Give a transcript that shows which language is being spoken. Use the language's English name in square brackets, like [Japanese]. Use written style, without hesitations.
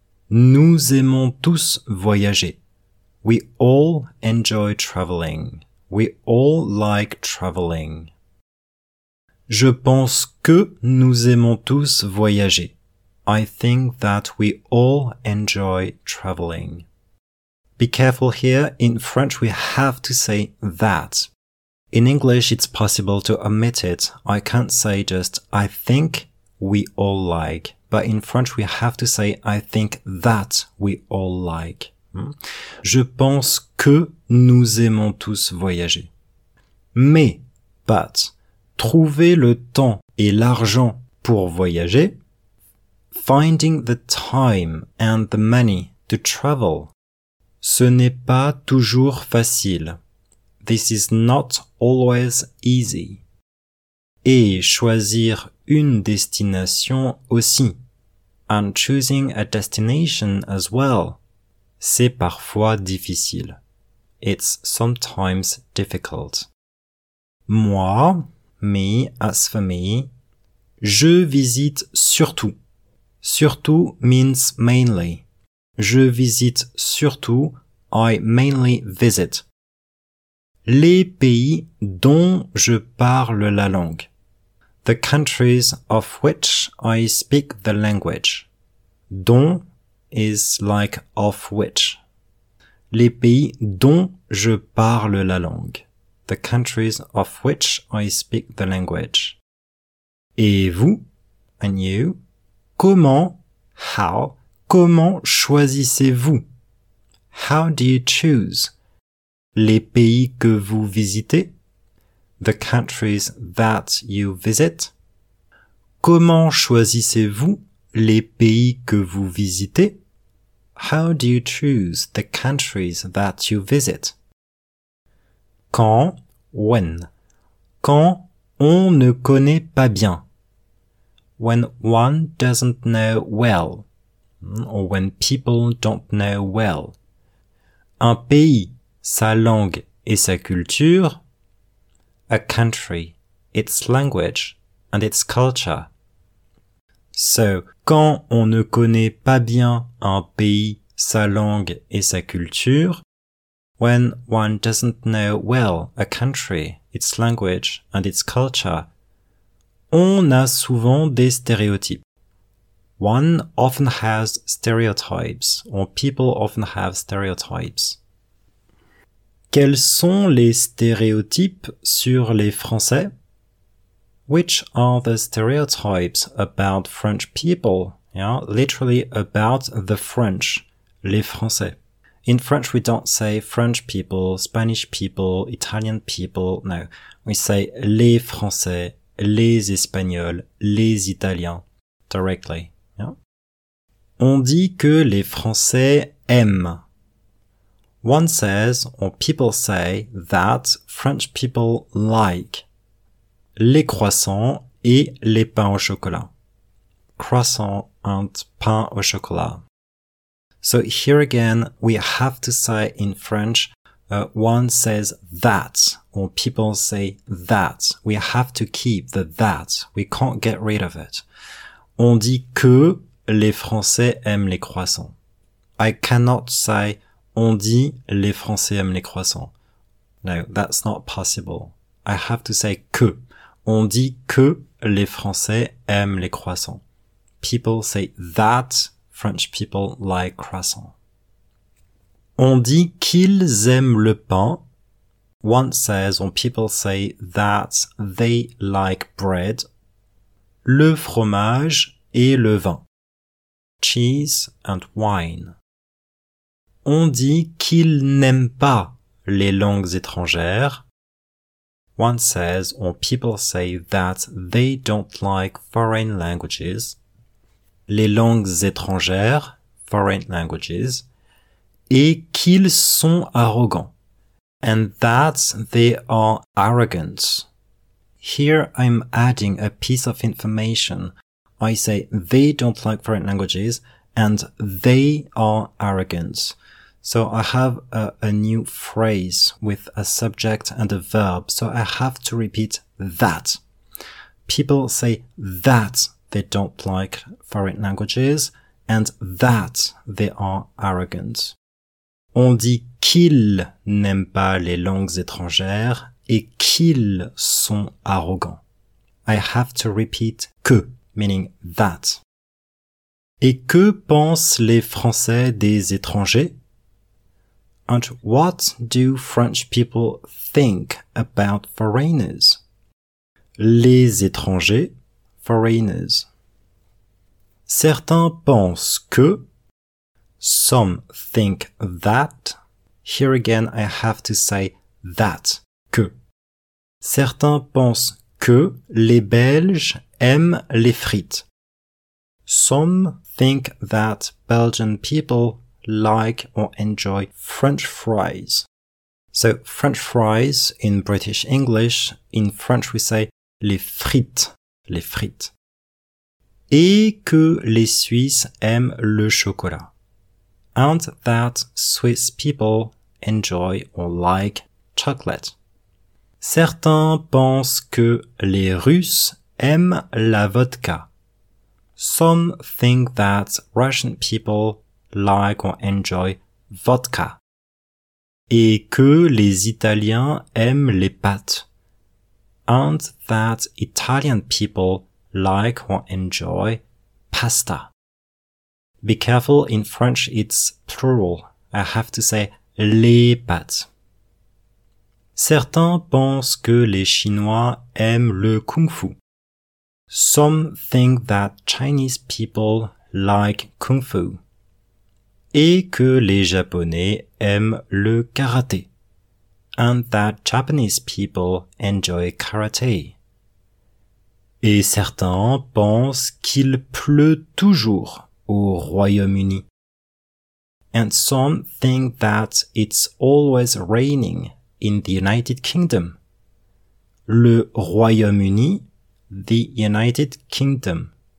[French] Nous aimons tous voyager. [English] We all enjoy traveling. We all like traveling. [French] Je pense que nous aimons tous voyager. [English] I think that we all enjoy traveling. Be careful here. In French, we have to say that. In English, it's possible to omit it. I can't say just, I think we all like. But in French, we have to say, I think that we all like. [French] Je pense que nous aimons tous voyager. Mais, but, trouver le temps et l'argent pour voyager. [English] Finding the time and the money to travel. [French] Ce n'est pas toujours facile. [English] This is not always easy. [French] Et choisir une destination aussi. [English] And choosing a destination as well. [French] C'est parfois difficile. [English] It's sometimes difficult. Moi, me, as for me, [French] je visite surtout. [English] Surtout means mainly. [French] Je visite surtout, [English] I mainly visit. [French] Les pays dont je parle la langue. [English] The countries of which I speak the language. Dont is like of which. [French] Les pays dont je parle la langue. [English] The countries of which I speak the language. [French] Et vous? [English] And you? [French] Comment? How? Comment choisissez-vous? [English] How do you choose? [French] Les pays que vous visitez? [English] The countries that you visit? [French] Comment choisissez-vous les pays que vous visitez? [English] How do you choose the countries that you visit? Quand, [French] when, quand on ne connaît pas bien. [English] When one doesn't know well, or when people don't know well. [French] Un pays, sa langue et sa culture. [English] A country, its language and its culture. [French] So, quand on ne connaît pas bien un pays, sa langue et sa culture. [English] When one doesn't know well a country, its language and its culture. [French] On a souvent des stéréotypes. [English] One often has stereotypes, or people often have stereotypes. [French] Quels sont les stéréotypes sur les Français? [English] Which are the stereotypes about French people? Yeah, literally about the French, les Français. In French, we don't say French people, Spanish people, Italian people, no. We say [French] les Français, les Espagnols, les Italiens, [English] directly. Yeah. [French] On dit que les Français aiment. [English] One says, or people say, that French people like [French] les croissants et les pains au chocolat. [English] Croissant and pain au chocolat. So here again, we have to say in French, one says that, or people say that. We have to keep the that. We can't get rid of it. [French] On dit que les Français aiment les croissants. [English] I cannot say [French] on dit les Français aiment les croissants. [English] No, that's not possible. I have to say que. [French] On dit que les Français aiment les croissants. [English] People say that French people like croissants. [French] On dit qu'ils aiment le pain. [English] One says, or people say that they like bread. [French] Le fromage et le vin. [English] Cheese and wine. [French] On dit qu'ils n'aiment pas les langues étrangères. [English] One says, or people say that they don't like foreign languages. [French] Les langues étrangères, [English] foreign languages. [French] Et qu'ils sont arrogants. [English] And that they are arrogant. Here I'm adding a piece of information. I say they don't like foreign languages and they are arrogant. So I have a new phrase with a subject and a verb. So I have to repeat that. People say that they don't like foreign languages and that they are arrogant. [French] On dit qu'ils n'aiment pas les langues étrangères et qu'ils sont arrogants. [English] I have to repeat que, meaning that. [French] Et que pensent les Français des étrangers? [English] And what do French people think about foreigners? [French] Les étrangers, foreigners. Certains pensent que. [English] Some think that. Here again, I have to say that, que. [French] Certains pensent que les Belges aiment les frites. [English] Some think that Belgian people like or enjoy French fries. So, French fries in British English, in French we say [French] les frites, les frites. Et que les Suisses aiment le chocolat. [English] And that Swiss people enjoy or like chocolate. [French] Certains pensent que les Russes aiment la vodka. [English] Some think that Russian people like or enjoy vodka. [French] Et que les Italiens aiment les pâtes. [English] And that Italian people like or enjoy pasta. Be careful, in French it's plural. I have to say [French] les pâtes. Certains pensent que les Chinois aiment le kung-fu. [English] Some think that Chinese people like kung-fu. [French] Et que les Japonais aiment le karaté. [English] And that Japanese people enjoy karaté. [French] Et certains pensent qu'il pleut toujours au Royaume-Uni. [English] And some think that it's always raining in the United Kingdom. [French] le Royaume-Uni, [English] the United Kingdom.